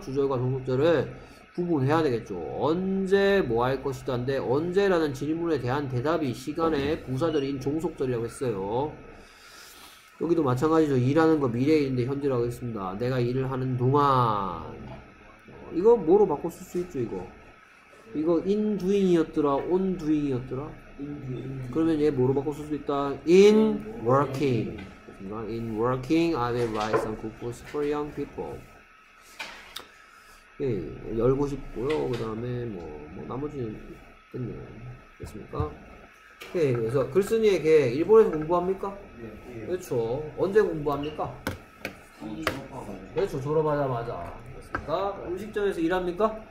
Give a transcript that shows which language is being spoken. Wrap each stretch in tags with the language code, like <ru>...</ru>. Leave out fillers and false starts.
<ko>주절과 종속절을 구분해야 되겠죠. 언제 뭐 할 것이다인데 언제라는 질문에 대한 대답이 시간의 부사절인 종속절이라고 했어요. 여기도 마찬가지죠. 일하는 거 미래인데 현재라고 했습니다. 내가 일을 하는 동안 이거 뭐로 바꿔 쓸 수 있죠 이거? 이거</ko> <en>in doing</en> <ko>이었더라,</ko> <en>on doing</en> <ko>이었더라?</ko> <en>In doing.</en> <ko>그러면 얘 뭐로 바꿔 쓸 수 있다?</ko> <en>In working. In working, I will write some cookbooks for young people.</en> <ko>예, 열고 싶고요. 그 다음에 뭐 나머지는 됐네요. 됐습니까? 예, 그래서 글쓴이의 개, 일본에서 공부합니까? 예, 예. 그렇죠. 언제 공부합니까? 졸업하고. 그렇죠. 졸업하자마자. 음식점에서 일합니까?</ko>